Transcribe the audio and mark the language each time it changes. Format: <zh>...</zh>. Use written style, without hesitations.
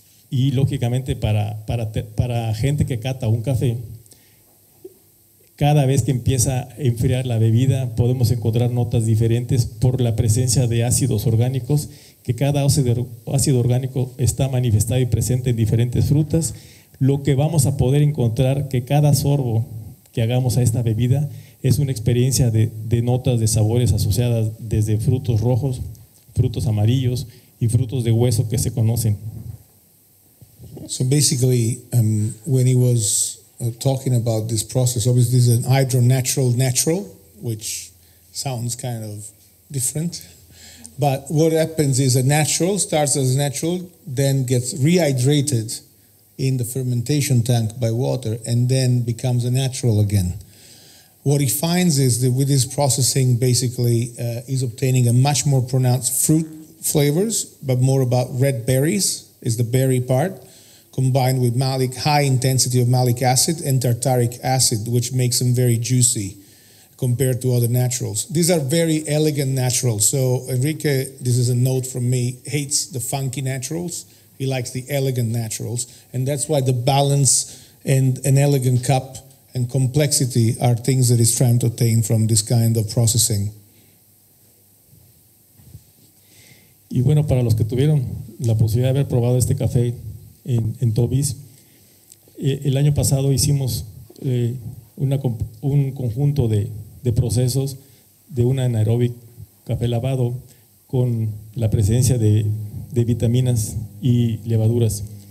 <es>Y lógicamente para gente que cata un café, cada vez que empieza a enfriar la bebida podemos encontrar notas diferentes por la presencia de ácidos orgánicos, que cada ácido orgánico está manifestado y presente en diferentes frutas, lo que vamos a poder encontrar que cada sorbo que hagamos a esta bebida es una experiencia de notas de sabores asociadas desde frutos rojos, frutos amarillos y frutos de hueso que se conocen.</es> <en>So basically, when he was talking about this process, obviously this is an hydro-natural, which sounds kind of different. But what happens is a natural starts as natural, then gets rehydrated in the fermentation tank by water, and then becomes a natural again. What he finds is that with his processing, basically, he's obtaining a much more pronounced fruit flavors, but more about red berries is the berry part, combined with malic, high intensity of malic acid and tartaric acid, which makes them very juicy compared to other naturals. These are very elegant naturals. So Enrique, this is a note from me, hates the funky naturals. He likes the elegant naturals. And that's why the balance and an elegant cup and complexity are things that he's trying to obtain from this kind of processing.</en> <es>Y bueno, para los que tuvieron la posibilidad de haber probado este café en Tobis, el año pasado hicimos un conjunto de procesos de un anaeróbic café lavado con la presencia de vitaminas y levaduras.</es>